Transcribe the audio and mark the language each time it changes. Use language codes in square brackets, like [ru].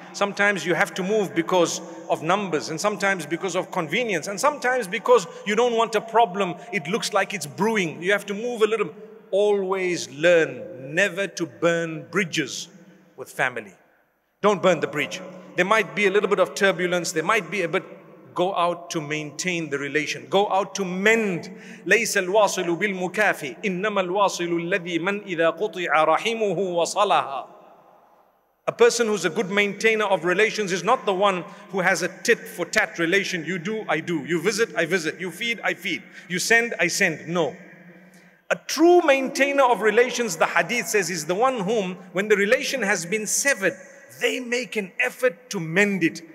[en] Sometimes you have to move because of numbers, and sometimes because of convenience, and sometimes because you don't want a problem. It looks like it's brewing. You have to move a little. Always learn never to burn bridges with family. Don't burn the bridge. There might be a little bit of turbulence. There might be a bit. Go out to maintain the relation. Go out to mend. [ar] ليس الواصل بالمكافي إنما الواصل الذي من إذا قطع رحمه وصلها. [en] A person who's a good maintainer of relations is not the one who has a tit for tat relation. You do, I do. You visit, I visit. You feed, I feed. You send, I send. No. A true maintainer of relations, the hadith says, is the one whom, when the relation has been severed, they make an effort to mend it.